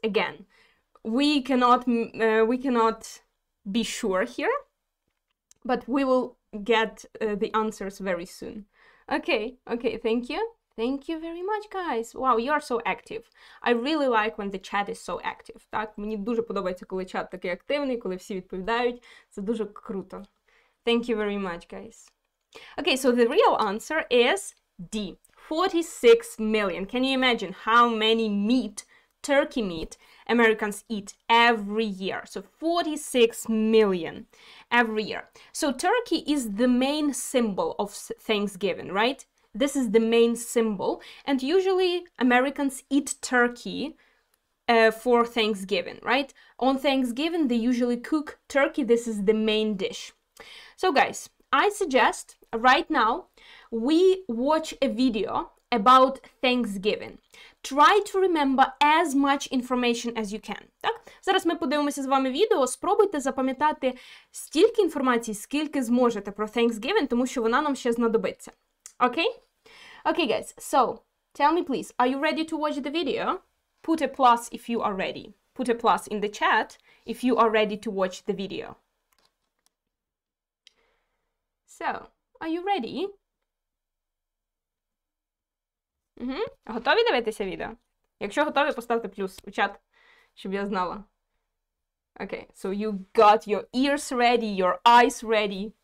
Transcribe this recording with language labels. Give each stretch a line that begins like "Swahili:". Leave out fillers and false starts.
English: Again, we cannot be sure here, but we will get the answers very soon. Okay, thank you. Thank you very much, guys. Wow, you are so active. I really like when the chat is so active.
Ukrainian: Так, мені дуже подобається, коли чат такий активний, коли всі відповідають. Це дуже круто.
English: Thank you very much, guys. Okay, so the real answer is D, 46 million. Can you imagine how many turkey meat, Americans eat every year? So 46 million every year. So turkey is the main symbol of Thanksgiving, right? This is the main symbol. And usually Americans eat turkey for Thanksgiving, right? On Thanksgiving, they usually cook turkey. This is the main dish. So guys, I suggest right now we watch a video about Thanksgiving. Try to remember as much information as you can.
Ukrainian: Так? Зараз ми подивимося з вами відео. Спробуйте запам'ятати стільки інформації, скільки зможете про Thanksgiving, тому що вона нам ще знадобиться.
English: Okay? Okay, guys. So, tell me please, are you ready to watch the video? Put a plus if you are ready. Put a plus in the chat if you are ready to watch the video. So, are you ready?
Ukrainian: Готові дивитися відео? Якщо готові, поставте плюс у чат, щоб я знала.
English: Okay, so you got your ears ready, your eyes ready.